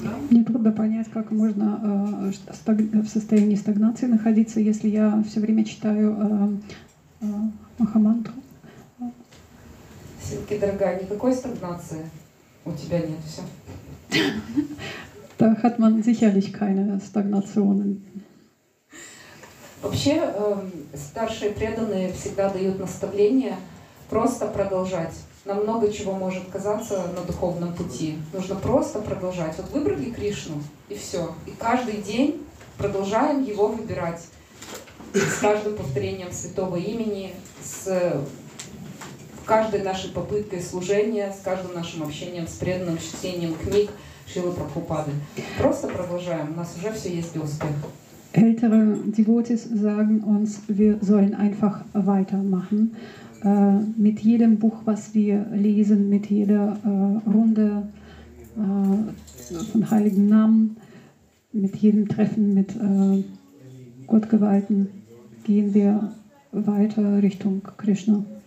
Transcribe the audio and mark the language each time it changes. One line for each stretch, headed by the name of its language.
Russian: Мне трудно понять, как можно в состоянии стагнации находиться, если я все время читаю Махамантру. Сильки, дорогая, никакой стагнации у тебя нет, все.
German: Да, hat man sicherlich keine Stagnationen.
Russian: Вообще, старшие преданные всегда дают наставление просто продолжать. Нам много чего может казаться на духовном пути. Нужно просто продолжать. Вот выбрали Кришну, и все. И каждый день продолжаем его выбирать. С каждым повторением святого имени, с каждой нашей попыткой служения, с каждым нашим общением, с преданным чтением книг Шрилы Прабхупады. Просто продолжаем. У нас уже все есть для успеха.
German: Ältere Devotees sagen uns, wir sollen einfach weitermachen. Mit jedem Buch, was wir lesen, mit jeder Runde von heiligen Namen, mit jedem Treffen mit Gottgeweihten, gehen wir weiter Richtung Krishna.